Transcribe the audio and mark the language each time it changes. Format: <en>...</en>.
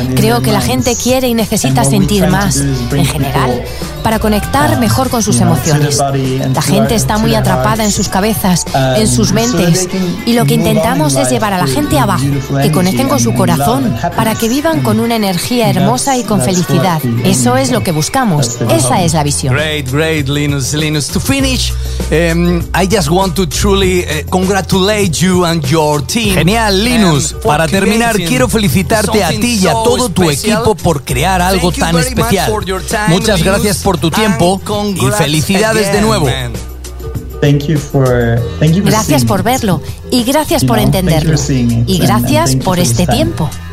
<es>Creo que la gente quiere y necesita sentir más, en general, para conectar mejor con sus emociones. La gente está muy atrapada en sus cabezas, en sus mentes, y lo que intentamos es llevar a la gente abajo, que conecten con su corazón, para que vivan con una energía hermosa y con felicidad. Eso es lo que buscamos. Esa es la visión.</es> <en>Great, Linus. To finish, I just want to truly congratulate you and your team.</en> <es>Genial, Linus. Para terminar, quiero felicitarte a ti y a todo tu equipo por crear algo tan especial. Muchas gracias por tu tiempo y felicidades de nuevo.</es> <en>Thank you for</en> <es>gracias por verlo y gracias por entenderlo y gracias por este tiempo.</es>